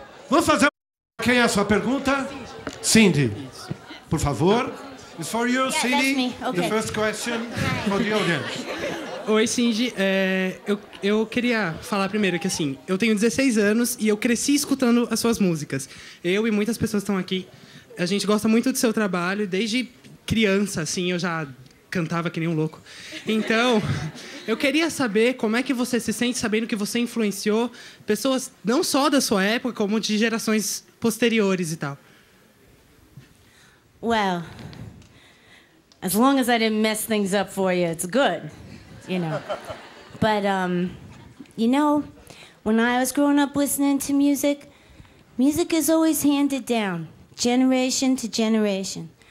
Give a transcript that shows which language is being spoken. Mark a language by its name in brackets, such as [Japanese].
[Portuguese] Vamos fazer quem é a sua pergunta? [English] Cyndi, [Portuguese] por favor. [English] It's for you, yeah, Cyndi. That's me. Okay. The first question for the audience. [Portuguese] Oi, Cyndi. Eu queria falar primeiro que, assim, eu tenho 16 anos e eu cresci escutando as suas músicas. Eu e muitas pessoas estão aqui. A gente gosta muito do seu trabalho. Desde criança, assim, eu já cantava que nem um louco. Então, eu queria saber como é que você se sente sabendo que você influenciou pessoas não só da sua época, como de gerações posteriores e tal. [English] Well, as long as I didn't mess things up for you, it's good. You know, but you know, when I was growing up listening to music, music is always handed down, generation to generation.